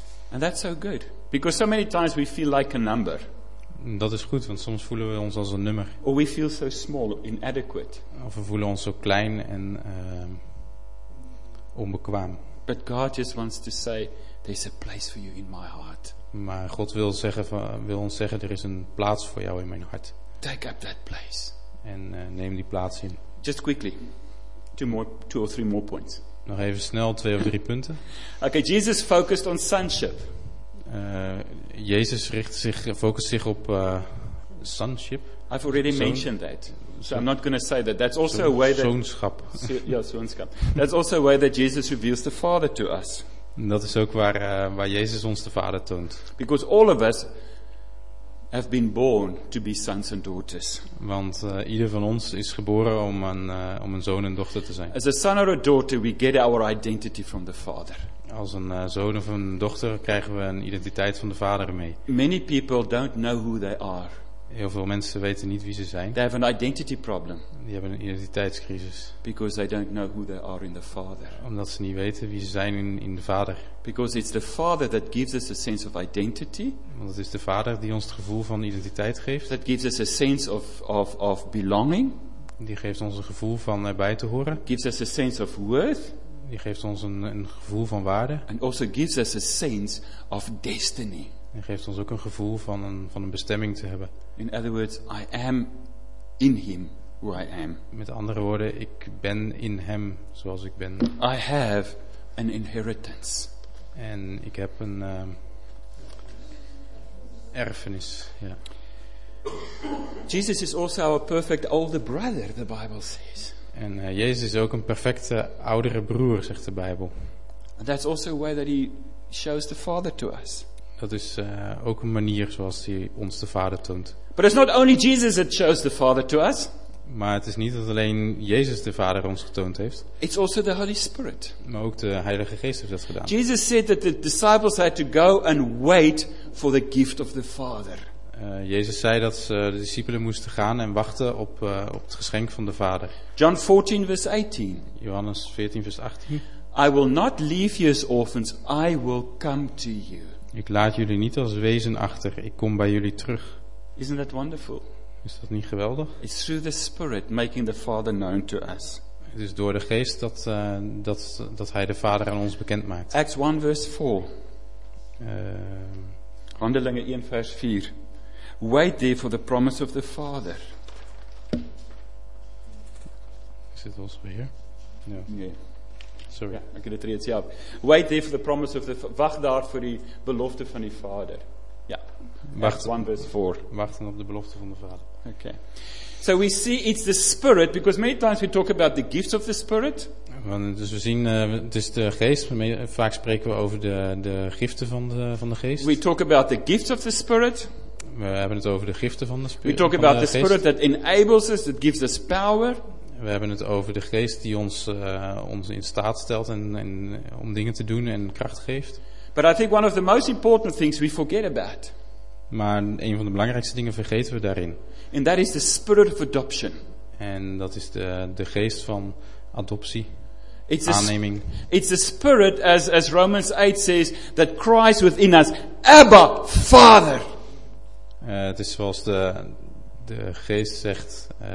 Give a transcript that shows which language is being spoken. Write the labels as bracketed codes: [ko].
[en] And that's so good because so many times we feel like a number. [nl] Dat is goed, want soms voelen we ons als een nummer. [en] Or we feel so small, inadequate. [nl] Of we voelen ons zo klein en onbekwaam. [en] But God just wants to say there's a place for you in my heart. [nl] Maar God wil ons zeggen er is een plaats voor jou in mijn hart. [en] Take up that place. [nl] En neem die plaats in. [en] Just quickly. Two or three more points. [nl] Nog even snel 2 of 3 punten. [en] Okay, Jesus focused on sonship. [nl] Jezus focust zich op sonship. [en] I've already mentioned that, so I'm not going to say that. That's also a way that [nl] zoonschap. Zoonschap. [en] That's also a way that Jesus reveals the Father to us. [nl] En dat is ook waar Jezus ons de Vader toont. [en] Because all of us have been born to be sons and daughters. [nl] Want ieder van ons is geboren om een zoon en dochter te zijn. [en] As a son or a daughter, we get our identity from the Father. [nl] Als een zoon of een dochter krijgen we een identiteit van de vader mee. [en] Many people don't know who they are. [nl] Heel veel mensen weten niet wie ze zijn. [en] They have an identity problem. [nl] Die hebben een identiteitscrisis. [en] Because they don't know who they are in the Father. [nl] Omdat ze niet weten wie ze zijn in de Vader. [en] Because it's the Father that gives us a sense of identity. [nl] Want het is de Vader die ons het gevoel van identiteit geeft. [en] That gives us a sense of belonging. [nl] Die geeft ons een gevoel van erbij te horen. [en] Gives us a sense of worth. [nl] Die geeft ons een gevoel van waarde. [en] And also gives us a sense of destiny. [nl] En geeft ons ook een gevoel van een bestemming te hebben. [en] In other words, I am in him who I am. [nl] Met andere woorden, ik ben in hem zoals ik ben. [en] I have an inheritance. [nl] En ik heb een erfenis, ja. [en] Jesus is also our perfect older brother, the Bible says. [nl] En Jezus is ook een perfecte oudere broer, zegt de Bijbel. [en] That's also a way that he shows the Father to us. [nl] Dat is ook een manier zoals hij ons de Vader toont. [en] But it's not only Jesus that shows the Father to us. [nl] Maar het is niet dat alleen Jezus de Vader ons getoond heeft. [en] It's also the Holy Spirit. [nl] Maar ook de Heilige Geest heeft dat gedaan. [en] Jesus said that the disciples had to go and wait for the gift of the Father. [nl] Jezus zei dat ze de discipelen moesten gaan en wachten op het geschenk van de Vader. [en] John 14, vers 18. [nl] Johannes 14, vers 18. [en] I will not leave you as orphans, I will come to you. [nl] Ik laat jullie niet als wezen achter, ik kom bij jullie terug. [en] Isn't that wonderful? [nl] Is dat niet geweldig? [en] It's through the Spirit making the Father known to us. [nl] Het is door de Geest dat Hij de Vader aan ons bekend maakt. [en] Acts 1, vers 4. [nl] Handelingen 1, vers 4. [en] Wait therefore the promise of the Father. Is it also here? No. Yeah. Sorry. Yeah, I get it reads, yeah. Wait therefore the promise of the [af] wacht daar voor die belofte van die Vader. Ja. [nl] Wacht. [en] 1 verse 4. [nl] Wachten op de belofte van de Vader. [en] Okay. So we see it's the Spirit, because many times we talk about the gifts of the Spirit. [nl] Dus we zien, het is de Geest. Vaak spreken we over de giften van de Geest. [en] We talk about the gifts of the Spirit. [nl] We hebben het over de giften van de [en] Spirit. We talk about the Spirit that enables us, that gives us power. [nl] We hebben het over de Geest die ons in staat stelt en om dingen te doen en kracht geeft. [en] But I think one of the most important things we forget about. [nl] Maar een van de belangrijkste dingen vergeten we daarin. [en] And that is the Spirit of adoption. [nl] En dat is de Geest van adoptie. [en] It's aanneming. It's the Spirit, as Romans 8 says, that cries within us, Abba, Father. [nl] Het is zoals de Geest zegt.